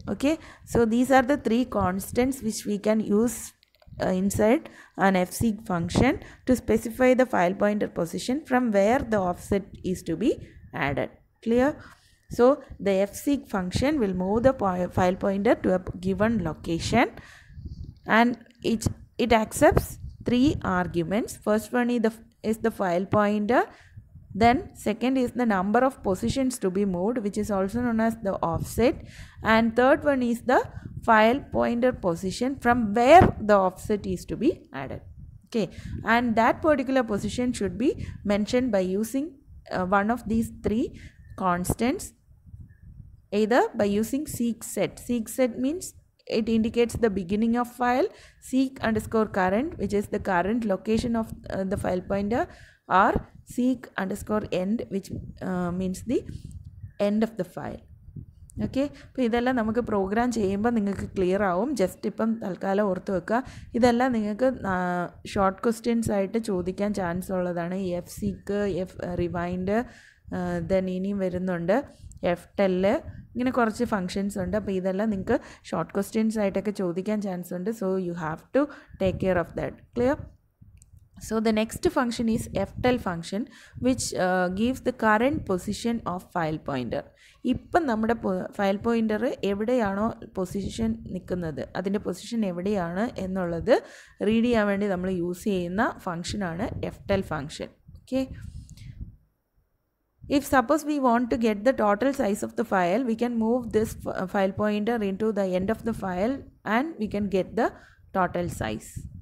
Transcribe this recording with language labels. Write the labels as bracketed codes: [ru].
[en] Okay, so these are the three constants which we can use inside an F seek function to specify the file pointer position from where the offset is to be added. Clear? So the F seek function will move the file pointer to a given location and it accepts three arguments. First one is the file pointer. Then second is the number of positions to be moved, which is also known as the offset. And third one is the file pointer position from where the offset is to be added. Okay, and that particular position should be mentioned by using one of these three constants, either by using seek set. Seek set means it indicates the beginning of file, seek underscore current, which is the current location of the file pointer, or seek underscore end, which means the end of the file. [ml] Okay, അപ്പോൾ ഇതെല്ലാം നമുക്ക് programme ചെയ്യുമ്പോൾ നിങ്ങൾക്ക് clear ആവും. Just ഇപ്പം തൽക്കാലം ഓർത്ത് വെക്കുക. ഇതെല്ലാം നിങ്ങൾക്ക് ഷോർട്ട് ക്വസ്റ്റ്യൻസ് ആയിട്ട് ചോദിക്കാൻ ചാൻസ് ഉള്ളതാണ്. എഫ് സിക്ക്, എഫ് റിവൈൻഡ്, ദെൻ ഇനിയും വരുന്നുണ്ട് എഫ് ടെല്, ഇങ്ങനെ കുറച്ച് ഫംഗ്ഷൻസ് ഉണ്ട്. അപ്പോൾ ഇതെല്ലാം നിങ്ങൾക്ക് ഷോർട്ട് ക്വസ്റ്റ്യൻസ് ആയിട്ടൊക്കെ ചോദിക്കാൻ ചാൻസ് ഉണ്ട്. [en] So you have to take care of that. Clear? So the next function is FTEL function, which gives the current position of file pointer. [ml] ഇപ്പം നമ്മുടെ ഫയൽ പോയിൻ്റർ എവിടെയാണോ പൊസിഷൻ നിൽക്കുന്നത്, അതിൻ്റെ പൊസിഷൻ എവിടെയാണ് എന്നുള്ളത് റീഡ് ചെയ്യാൻ വേണ്ടി നമ്മൾ യൂസ് ചെയ്യുന്ന ഫംഗ്ഷനാണ് FTEL function. [en] Okay, if suppose we want to get the total size of the file, we can move this file pointer in to the end of the file and we can get the total size.